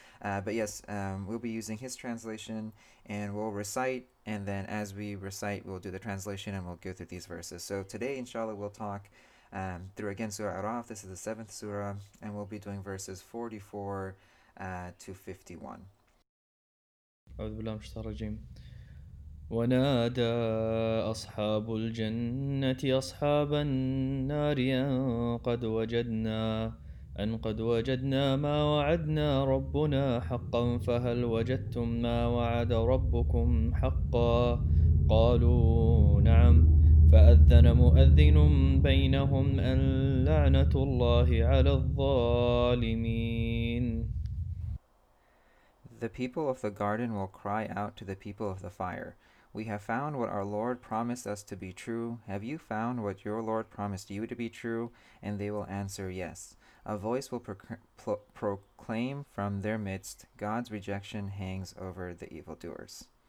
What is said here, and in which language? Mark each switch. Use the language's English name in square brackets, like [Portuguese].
[English] But we'll be using his translation, and we'll recite. And then as we recite, we'll do the translation and we'll go through these verses. So today, inshallah, we'll talk through again Surah Araf. This is the seventh surah, and we'll be doing verses 44 to 51. [Arabic] أعوذ بالله من الشيطان الرجيم ونادى أصحاب الجنة أصحاب النار أن قد وجدنا ما وعدنا ربنا حقا فهل وجدتم ما وعد ربكم حقا قالوا نعم فأذن مؤذن بينهم أن لعنة الله على الظالمين. [English] The people of the garden will cry out to the people of the fire, "We have found what our Lord promised us to be true. Have you found what your Lord promised you to be true?" And they will answer, "Yes." A voice will proclaim from their midst, "God's rejection hangs over the evildoers."